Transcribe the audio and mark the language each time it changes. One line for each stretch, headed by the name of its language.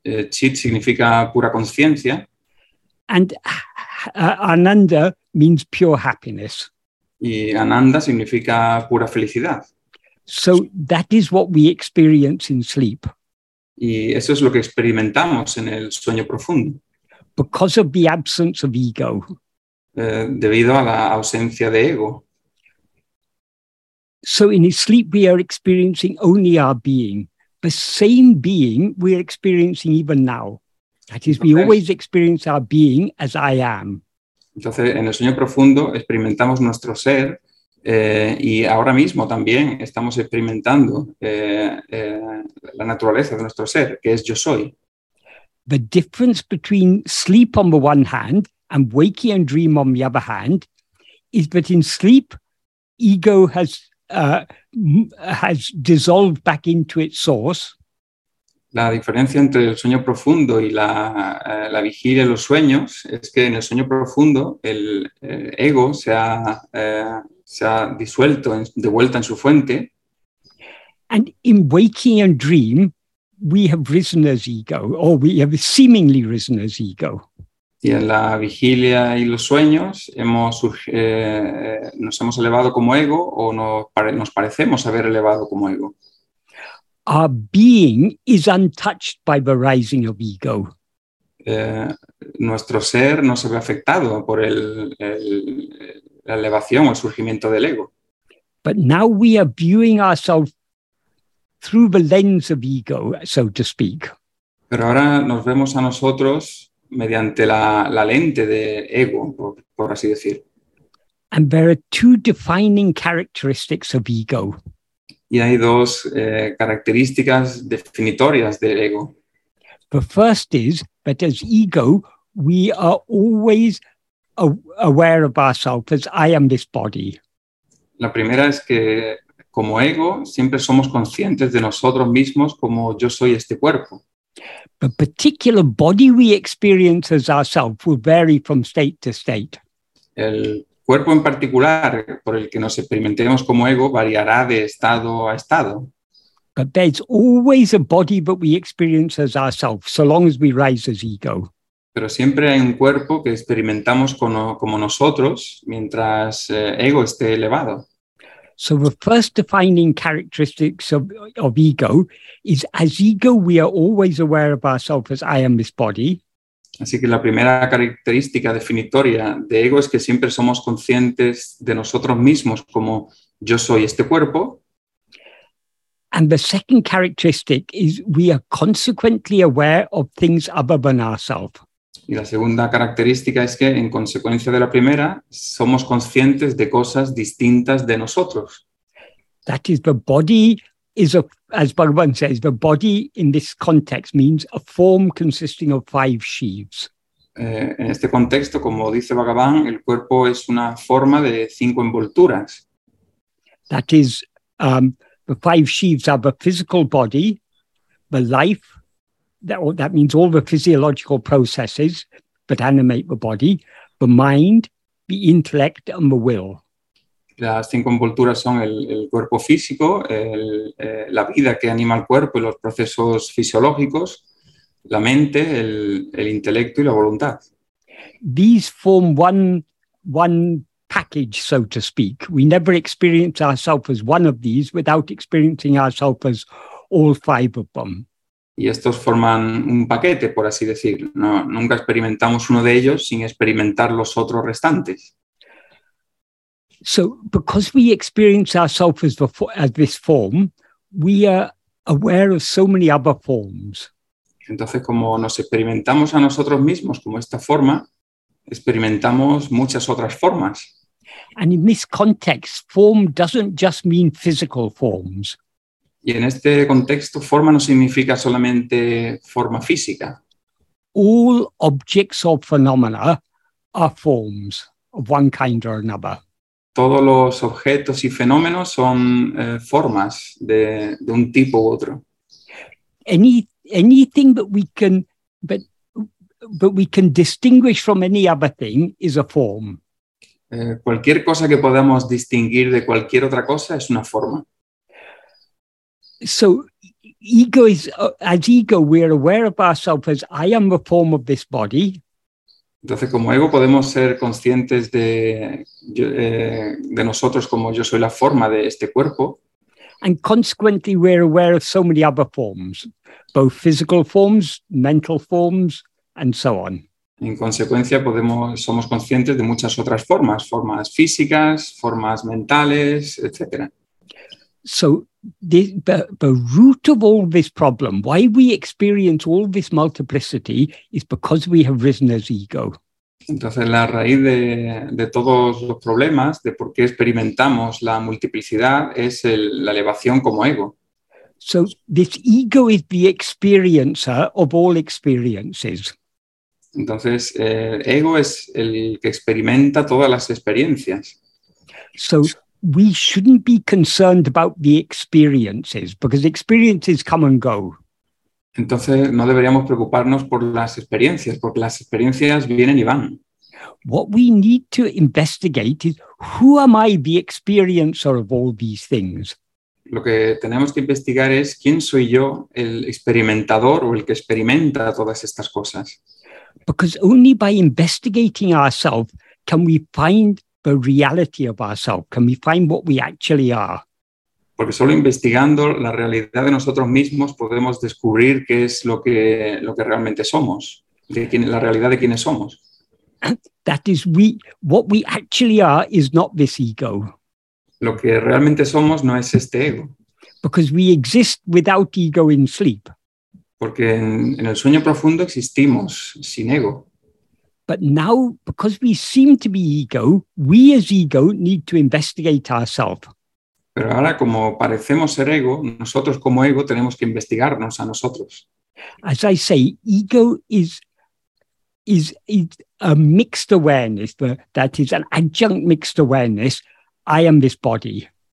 Spanish: Chit significa pura conciencia.
English: And Ananda means pure happiness.
Spanish: Y Ananda significa pura felicidad.
English: So that is what we experience in sleep.
Spanish: Y eso es lo que experimentamos en el sueño profundo.
English: Because of the absence of ego.
Spanish: Debido a la ausencia de ego.
English: So in his sleep we are experiencing only our being. The same being we are experiencing even now. That is, we always experience our being as I am.
Spanish: Entonces, en el sueño profundo experimentamos nuestro ser y ahora mismo también estamos experimentando la naturaleza de nuestro ser, que es yo soy.
English: The difference between sleep on the one hand and waking and dream on the other hand is that in sleep, ego has dissolved back into its source.
Spanish: La diferencia entre el sueño profundo y la vigilia y los sueños es que en el sueño profundo el ego se ha disuelto, de vuelta en su fuente.
English: And in waking and dream, we have risen as ego, or we have seemingly risen as ego.
Spanish: Y en la vigilia y los sueños nos hemos elevado como ego, o nos parecemos haber elevado como ego.
English: Our being is untouched by the rising of ego.
Spanish: nuestro ser no se ve afectado por la elevación o el surgimiento del ego.
English: But now we are viewing ourselves through the lens of ego, so to speak.
Spanish: Pero ahora nos vemos a nosotros mediante la lente del ego, por así decir.
English: And there are two defining characteristics of ego.
Spanish: Y hay dos características definitorias del ego.
English: The first is that as ego, we are always aware of ourselves as I am this body.
Spanish: La primera es que como ego siempre somos conscientes de nosotros mismos como yo soy este cuerpo.
English: The particular body we experience as ourselves will vary from state to state.
Spanish: El cuerpo en particular por el que nos experimentemos como ego variará de estado a estado.
English: But there's always a body that we experience as ourselves, so long as we rise as ego.
Spanish: Pero siempre hay un cuerpo que experimentamos como nosotros mientras ego esté elevado.
English: So the first defining characteristics of ego is as ego we are always aware of ourselves as I am this body.
Spanish: Así que la primera característica definitoria de ego es que siempre somos conscientes de nosotros mismos como yo soy este cuerpo.
English: And the second characteristic is we are consequently aware of things other than ourselves.
Spanish: Y la segunda característica es que, en consecuencia de la primera, somos conscientes de cosas distintas de nosotros.
English: That is, the body is, as Bhagavan says, the body in this context means a form consisting of five sheaths.
Spanish: En este contexto, como dice Bhagavan, el cuerpo es una forma de cinco envolturas.
English: That is, the five sheaths are the physical body, the life. That means all the physiological processes that animate the body, the mind, the intellect, and the will.
Spanish: Las cinco envolturas son el cuerpo físico, la vida que anima el cuerpo y los procesos fisiológicos, la mente, el intelecto y la voluntad.
English: These form one package, so to speak. We never experience ourselves as one of these without experiencing ourselves as all five of them.
Spanish: Y estos forman un paquete, por así decir. No, nunca experimentamos uno de ellos sin experimentar los otros restantes.
English: So, because we experience ourselves as this form, we are aware of so many other forms.
Spanish: Entonces, como nos experimentamos a nosotros mismos como esta forma, experimentamos muchas otras formas.
English: And in this context, form doesn't just mean physical forms.
Spanish: Y en este contexto, forma no significa solamente forma física.
English: All objects or phenomena are forms of one kind or another.
Spanish: Todos los objetos y fenómenos son formas de un tipo u otro.
English: Anything that we can distinguish from any other thing is a form.
Spanish: Cualquier cosa que podamos distinguir de cualquier otra cosa es una forma.
English: So, ego is as ego, we are aware of ourselves as I am the form of this body.
Spanish: Entonces, como ego, podemos ser conscientes de nosotros como yo soy la forma de este cuerpo.
English: And consequently, we are aware of so many other forms, both physical forms, mental forms, and so on.
Spanish: En consecuencia, somos conscientes de muchas otras formas, formas físicas, formas mentales, etc.
English: So, the root of all this problem, why we experience all this multiplicity, is because we have risen as ego.
Spanish: Entonces, la raíz de todos los problemas, de por qué experimentamos la multiplicidad, es la elevación como ego.
English: So, this ego is the experiencer of all experiences.
Spanish: Entonces, ego es el que experimenta todas las experiencias.
English: So, we shouldn't be concerned about the experiences, because experiences come and go.
Spanish: Entonces, no deberíamos preocuparnos por las experiencias, porque las experiencias vienen y van.
English: What we need to investigate is, who am I, the experiencer of all these things?
Spanish: Lo que tenemos que investigar es, ¿quién soy yo, el experimentador o el que experimenta todas estas cosas?
English: Because only by investigating ourselves can we find the reality of ourselves, can we find what we actually are?
Spanish: Porque solo investigando la realidad de nosotros mismos podemos descubrir qué es lo que realmente somos. de quién, la realidad de quiénes somos.
English: That is, we, what we actually are is not this ego.
Spanish: Lo que realmente somos no es este ego.
English: Because we exist without ego in sleep.
Spanish: Porque en el sueño profundo existimos sin ego.
English: But now, because we seem to be ego, we as ego need to investigate ourselves.
Spanish: Pero ahora, como parecemos ser ego, nosotros como ego tenemos que investigarnos a nosotros.
English: As I say, ego is a mixed awareness, that is an adjunct mixed awareness. I am this body.